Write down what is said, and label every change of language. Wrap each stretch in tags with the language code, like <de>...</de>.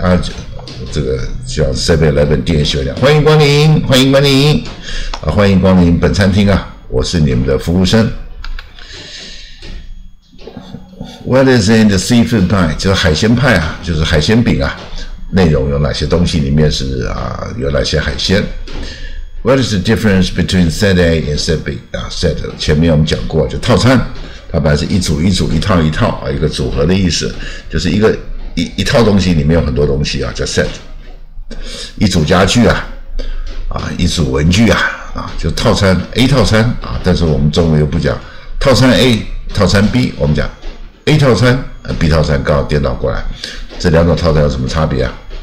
<zh>啊，这个叫 7-Eleven 店小姐，欢迎光临，欢迎光临，啊，欢迎光临本餐厅啊，我是你们的服务生。</zh> <en>What is in the seafood pie?</en> <zh>就是海鲜派啊，就是海鲜饼啊，内容有哪些东西？里面是啊，有哪些海鲜？</zh> <en>What is the difference between set A and set B?</en> <zh>啊 ，set 前面我们讲过，就套餐，它本来是一组一组，一套一套啊，一个组合的意思，就是一套东西里面有很多东西啊，叫 set。一组家具啊，啊，一组文具啊，啊，就套餐 A 套餐啊，但是我们中文又不讲套餐 A， 套餐 B， 我们讲 A 套餐 ，B 套餐，刚好颠倒过来，这两种套餐有什么差别啊？</zh>